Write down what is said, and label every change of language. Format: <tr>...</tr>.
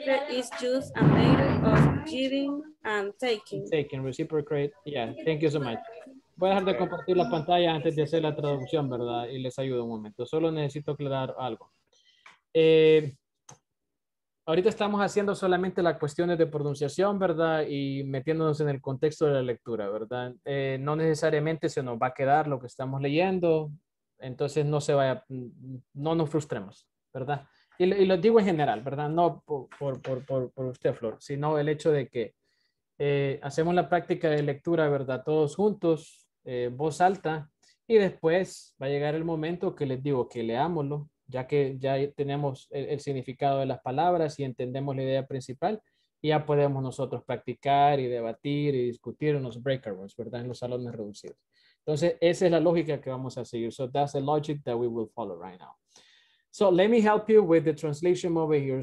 <en>is just a matter of giving and taking. Taking, reciprocate. Yeah, thank you so much.</en> <es>Voy a dejar de compartir la pantalla antes de hacer la traducción, ¿verdad? Y les ayudo un momento. Solo necesito aclarar algo. Ahorita estamos haciendo solamente las cuestiones de pronunciación, ¿verdad? Y metiéndonos en el contexto de la lectura, ¿verdad? No necesariamente se nos va a quedar lo que estamos leyendo. Entonces no se vaya, no nos frustremos, ¿verdad? Y lo digo en general, ¿verdad? No por usted, Flor, sino el hecho de que hacemos la práctica de lectura, ¿verdad? Todos juntos, voz alta, y después va a llegar el momento que les digo que leámoslo, ya que ya tenemos el significado de las palabras y entendemos la idea principal, y ya podemos nosotros practicar y debatir y discutir en los breakout rooms, ¿verdad? En los salones reducidos. Entonces, esa es la lógica que vamos a seguir.</es> <en>So that's the logic that we will follow right now. So let me help you with the translation over here.</en>